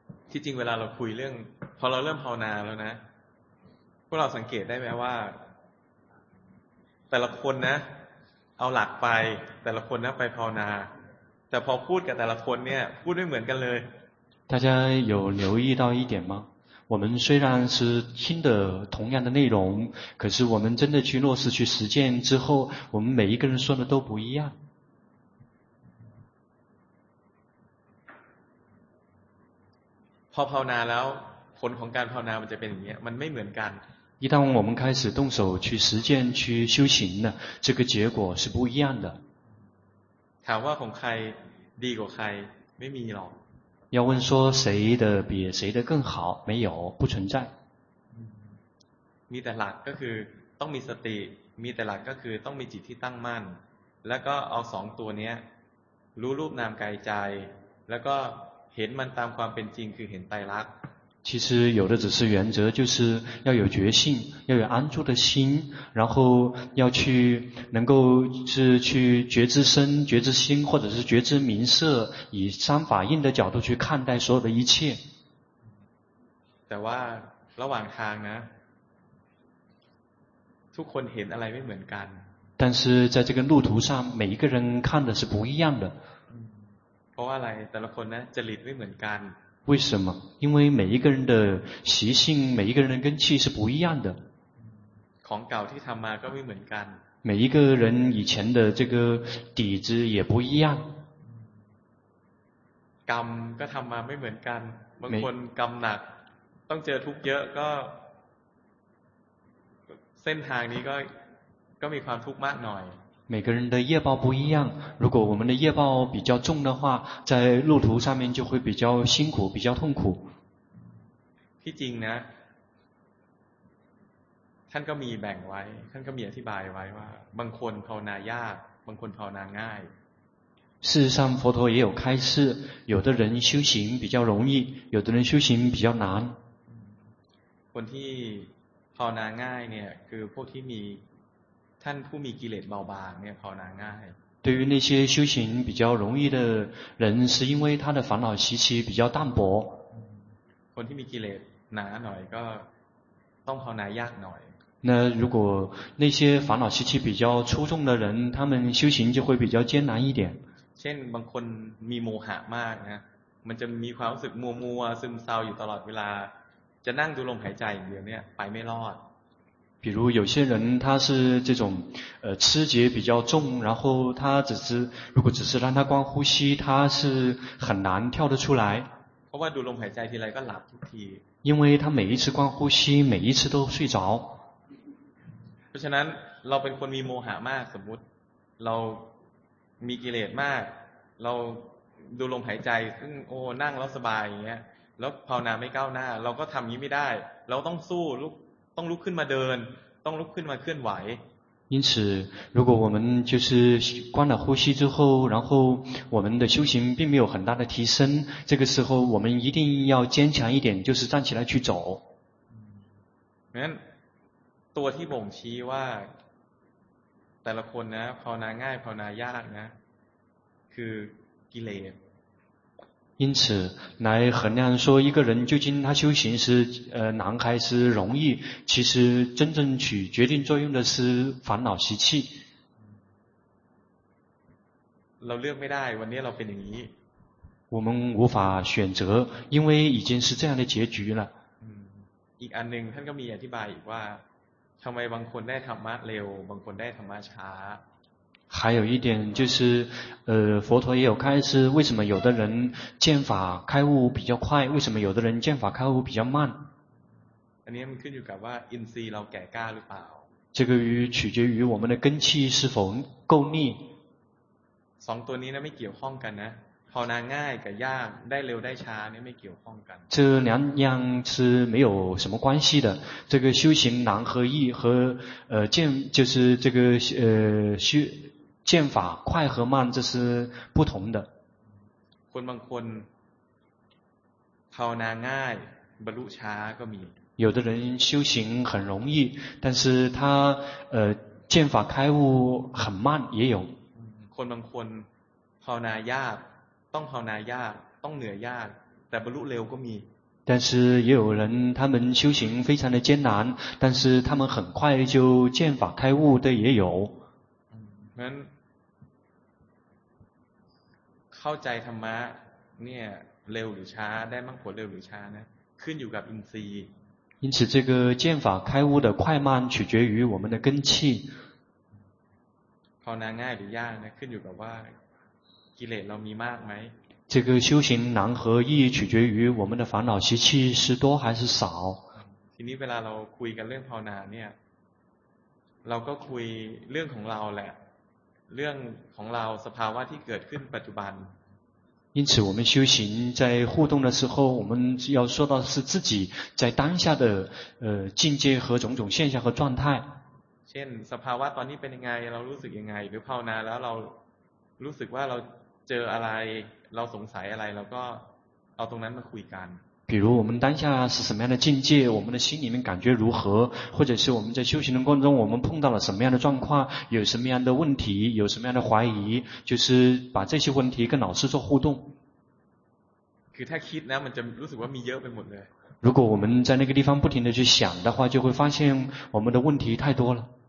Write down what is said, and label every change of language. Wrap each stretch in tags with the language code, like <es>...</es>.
<th>ที่จริงเวลาเราคุยเรื่องพอเราเริ่มภาวนาแล้วนะพวกเราสังเกตได้ไหมว่าแต่ละคนนะเอาหลักไปแต่ละคนนะไปภาวนาแต่พอพูดกับแต่ละคนเนี่ยพูดไม่เหมือนกันเลย</th> <zh>大家有留意到一点吗？我们虽然是听的同样的内容，可是我们真的去落实去实践之后，我们每一个人说的都不一样。</zh> <th>พอภาวนาแล้วผลของการภาวนามันจะเป็นอย่างเงี้ยมันไม่เหมือนกัน</th> <zh>一旦我们开始动手去实践去修行呢，这个结果是不一样的。</zh> <th>ถามว่าของใครดีกว่าใครไม่มีหรอก</th> <zh>要问说谁的比谁的更好没有不存在</zh> <th>มีแต่หลักก็คือต้องมีสติมีแต่หลักก็คือต้องมีจิตที่ตั้งมั่นแล้วก็เอาสองตัวนี้รู้รูปนามกายใจแล้วก็เห็นมันตามความเป็นจริงคือเห็นไตรลักษณ์</th> <zh>其实有的只是原则就是要有决心要有安住的心然后要去能够是去觉知身觉知心或者是觉知名色以三法印的角度去看待所有的一切</zh> <th>แต่ว่าระหว่างทางนะทุกคนเห็นอะไรไม่เหมือนกัน</th> <zh>但是在这个路途上每一个人看的是不一样的</zh> <th>เพราะว่าอะไรแต่ละคนนะจริตไม่เหมือนกัน</th> <zh>为什么因为每一个人的习性每一个人的根气是不一样的</zh> <th>ของเก่าที่ทำมาก็ไม่เหมือนกัน</th> <zh>每一个人以前的这个底子也不一样。</zh> <th>กรรมก็ทำมาไม่เหมือนกันบางคนกรรมหนักต้องเจอทุกข์เยอะก็เส้นทางนี้ก็มีความทุกข์มากหน่อย</th> <zh>每个人的业报不一样，如果我们的业报比较重的话，在路途上面就会比较辛苦，比较痛苦。</zh> <th>ที่จริงนะท่านก็มีแบ่งไว้ท่านก็มีอธิบายไว้ว่าบางคนภาวนายากบางคนภาวนาง่าย</th> <zh>事实上佛陀也有开示有的人修行比较容易有的人修行比较难</zh> <th>คนที่ภาวนาง่ายเนี่ยคือพวกที่มีท่านผู้มีกิเลสเบาบางเนี่ยภาวนาง่าย</th> <zh>对于那些修行比较容易的人是因为他的烦恼习气比较淡薄</zh> <th>คนที่มีกิเลสหนาหน่อยก็ต้องภาวนายากหน่อย</th> <zh>那如果那些烦恼习气比较出众的人他们修行就会比较艰难一点</zh> <th>เช่นบางคนมีโมหะมากนะมันจะมีความรู้สึกมัวมัวซึมเศร้าอยู่ตลอดเวลาจะนั่งดูลมหายใจอย่างเนี้ยไปไม่รอด</th> <zh>比如有些人他是这种痴结比较重然后他只是如果只是让他光呼吸他是很难跳得出来</zh> <th>เพราะว่าดูลมหายใจทีไรก็หลับทุกที</th> <zh>因为他每一次光呼吸每一次都睡着</zh> <th>เพราะฉะนั้นเราเป็นคนมีโมหะมากสมมุติเรามีกิเลสมากเราดูลมหายใจซึ่งโอ้นั่งแล้วสบายอย่างเงี้ยแล้วภาวนาไม่ก้าวหน้าเราก็ทำอย่างนี้ไม่ได้เราต้องสู้ต้องลุกขึ้นมาเดินต้องลุกขึ้นมาเคลื่อนไหว</th> <zh>因此如果我们就是关了呼吸之后然后我们的修行并没有很大的提升这个时候我们一定要坚强一点就是站起来去走</zh> <th>งั้นตัวที่บ่งชี้ว่าแต่ละคนนะภาวนาง่ายภาวนายากนะคือกิเลส</th> <zh>因此来衡量说一个人究竟他修行是难还是容易其实真正取决定作用的是烦恼习气</zh> <th>เราเลือกไม่ได้วันนี้เราเป็นอย่างนี้</th> <zh>我们无法选择因为已经是这样的结局了</zh> <th>อีกอันหนึ่งท่านก็มีอธิบายอีกว่าทำไมบางคนได้ธรรมะเร็วบางคนได้ธรรมะช้า</th> <zh>还有一点就是佛陀也有开示为什么有的人见法开悟比较快为什么有的人见法开悟比较慢</zh> <th>อันนี้มันขึ้นอยู่กับว่าอินทรีย์เราแก่กล้าหรือเปล่า</th> <zh>这个取决于我们的根气是否够力</zh> <th>สองตัวนี้นะไม่เกี่ยวข้องกันนะภาวนาง่ายกับยากได้เร็วได้ช้านี่ไม่เกี่ยวข้องกัน</th> <zh>这两样是没有什么关系的这个修行难和易和见就是这个修见法快和慢这是不同的</zh> <th>คนบางคนภาวนาง่ายบรรลุช้าก็มี</th> <zh>有的人修行很容易但是他见法开悟很慢也有</zh> <th>คนบางคนภาวนายากต้องภาวนายากต้องเหนื่อยยากแต่บรรลุเร็วก็มี</th> <zh>但是也有人他们修行非常的艰难但是他们很快就见法开悟的也有</zh> <th>งั้นเข้าใจธรรมะเนี่ยเร็วหรือช้าได้มั่งผลเร็วหรือช้านะขึ้นอยู่กับอินทรีย์</th> <zh>因此这个见法开悟的快慢取决于我们的根气</zh> <th>ภาวนาง่ายหรือยากนะขึ้นอยู่กับว่ากิเลสเรามีมากไหม</th> <zh>这个修行难和易取决于我们的烦恼习气是多还是少</zh> <th>ทีนี้เวลาเราคุยกันเรื่องภาวนาเนี่ยเราก็คุยเรื่องของเราแหละเรื่องของเราสภาวะที่เกิดขึ้นปัจจุบัน</th> <zh>因此我们修行在互动的时候我们要说到是自己在当下的境界和种种现象和状态</zh> <th>เช่นสภาวะตอนนี้เป็นยังไงเรารู้สึกยังไงหรือภาวนาแล้วเรารู้สึกว่าเราเจออะไรเราสงสัยอะไรเราก็เอาตรงนั้นมาคุยกัน</th> <zh>比如我们当下是什么样的境界我们的心里面感觉如何或者是我们在修行的过程中我们碰到了什么样的状况有什么样的问题有什么样的怀疑就是把这些问题跟老师做互动</zh> <th>คือถ้าคิดแล้วมันจะรู้สึกว่ามีเยอะไปหมดเลย</th> <zh>如果我们在那个地方不停地去想的话就会发现我们的问题太多了</zh>